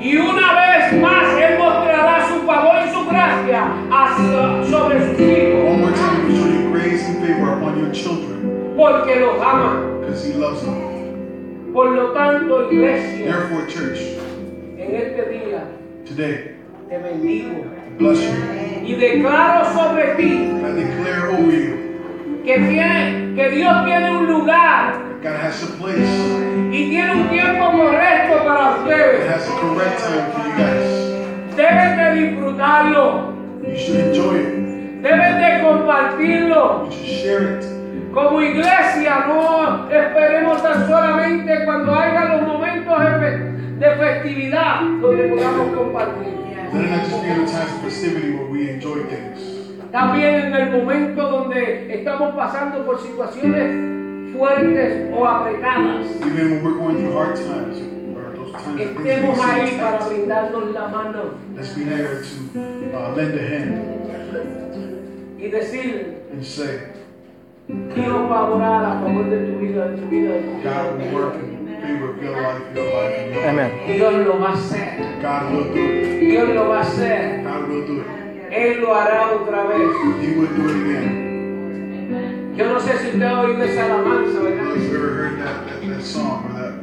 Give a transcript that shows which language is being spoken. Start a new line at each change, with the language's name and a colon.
Spanish: Y una vez más Él mostrará su favor y su gracia sobre sus hijos.
English: One more time, He'll show you grace and favor upon your children.
Spanish: Porque los ama.
English: Because He loves them.
Spanish: Por lo tanto, iglesia.
English: Therefore, church.
Spanish: En este día.
English: Today.
Spanish: Te bendigo.
English: Bless you.
Spanish: Y declaro sobre ti.
English: I declare over you.
Spanish: Que Dios tiene un lugar.
English: God has a place.
Spanish: Y tiene un tiempo correcto para ustedes.
English: It has a correct time for you guys.
Spanish: Deben de disfrutarlo.
English: You should enjoy it.
Spanish: Deben de compartirlo.
English: You should share it.
Spanish: Como iglesia, no esperemos tan solamente cuando haya los momentos de festividad donde podamos compartir.
English: Let it not just be in a time of festivity where we enjoy things.
Spanish: También en el momento donde estamos pasando por situaciones fuertes o apretadas.
English: Even when we're going through hard times.
Spanish: Estemos ahí para brindarnos la mano.
English: Let's be there to lend a hand.
Spanish: Y decir.
English: And say.
Spanish: Dios va a orar a favor de tu vida, de tu vida.
English: God will work in favor of your life, your life, your life. Amen.
Spanish: Dios lo va a hacer.
English: God will do it.
Spanish: Dios lo va a hacer.
English: God will do it.
Spanish: Él lo hará otra vez.
English: He will do it again.
Spanish: Yo no sé si usted ha oído esa alabanza, ¿verdad?
English: Have you ever heard that song or that?